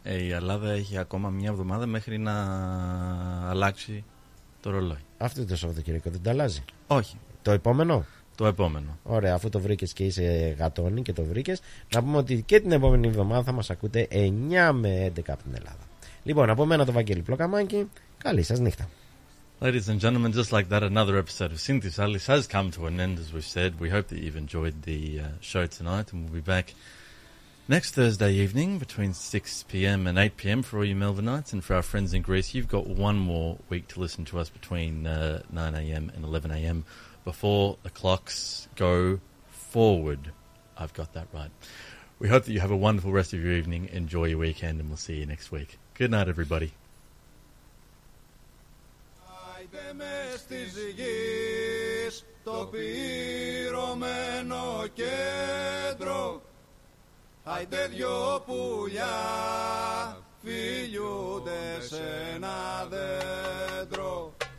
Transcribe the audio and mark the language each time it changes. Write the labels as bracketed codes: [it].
[el] η Ελλάδα έχει ακόμα μια εβδομάδα μέχρι να αλλάξει το ρολόι. Αυτό το Σαββατοκύριακο δεν τα αλλάζει? Όχι. Το επόμενο? Το επόμενο. Ωραία, αφού το βρήκες και είσαι γατώνη και το βρήκες, να πούμε ότι και την επόμενη εβδομάδα θα μας ακούτε 9 με 11 από την Ελλάδα. Λοιπόν, από μένα το Βαγγέλη Πλοκαμάκη, καλή σας νύχτα. [en] Ladies and gentlemen, just like that, another episode of Synthes Alice has come to an end, as we've said. We hope that you've enjoyed the show tonight, and we'll be back next Thursday evening between 6 p.m. and 8 p.m. for all you Melbourneites. And for our friends in Greece, you've got one more week to listen to us between 9 a.m. and 11 a.m. before the clocks go forward. I've got that right. We hope that you have a wonderful rest of your evening. Enjoy your weekend, and we'll see you next week. Good night, everybody. [el] Μες της γης το πυρωμένο κέντρο, άιντε δυο πουλιά φιλιούνται σε ένα δέντρο.